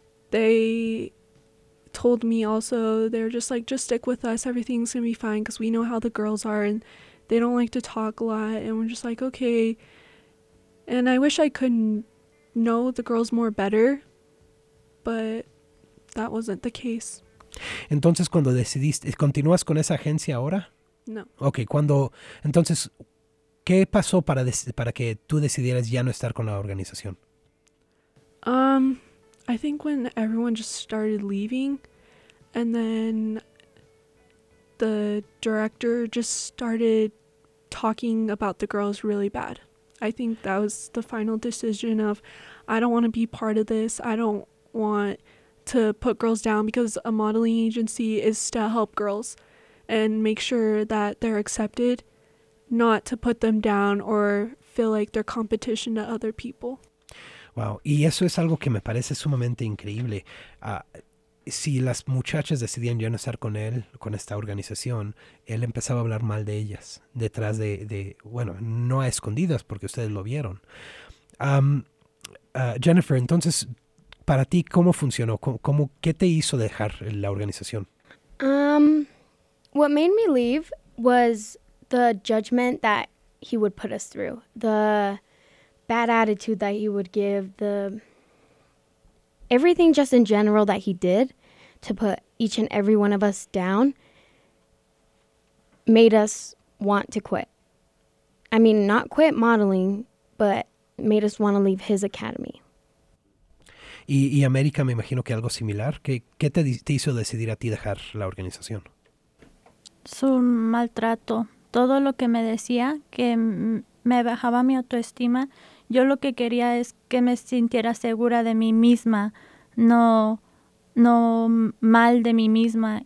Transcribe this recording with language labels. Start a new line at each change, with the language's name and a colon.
English: they told me also, they're just like, just stick with us, everything's gonna be fine because we know how the girls are and they don't like to talk a lot, and we're just like, okay. And I wish I could know the girls more better, but that wasn't the case.
Spanish: Entonces, cuando decidiste, ¿continúas con esa agencia ahora? No. Okay, entonces, ¿qué pasó para que tú decidieras ya no estar con la organización?
English: I think when everyone just started leaving, and then the director just started talking about the girls really bad. I think that was the final decision of, I don't want to be part of this. I don't want to put girls down, because a modeling agency is to help girls and make sure that they're accepted, not to put them down or feel like they're competition to other people.
Spanish: Wow, y eso es algo que me parece sumamente increíble. Si las muchachas decidían ya no estar con él, con esta organización, él empezaba a hablar mal de ellas, detrás de bueno, no a escondidas, porque ustedes lo vieron. Jennifer, entonces, para ti, ¿cómo funcionó? ¿Qué te hizo dejar la organización?
English: What made me leave was the judgment that he would put us through, the bad attitude that he would give, the everything just in general that he did to put each and every one of us down made us want to quit. I mean, not quit modeling, but made us want to leave his academy.
Spanish: Y América, me imagino que algo similar. ¿Qué te hizo decidir a ti dejar la organización? Su maltrato. Todo lo que me decía, que me bajaba mi autoestima. Yo lo que quería es que me sintiera segura de mí misma, no mal de mí misma.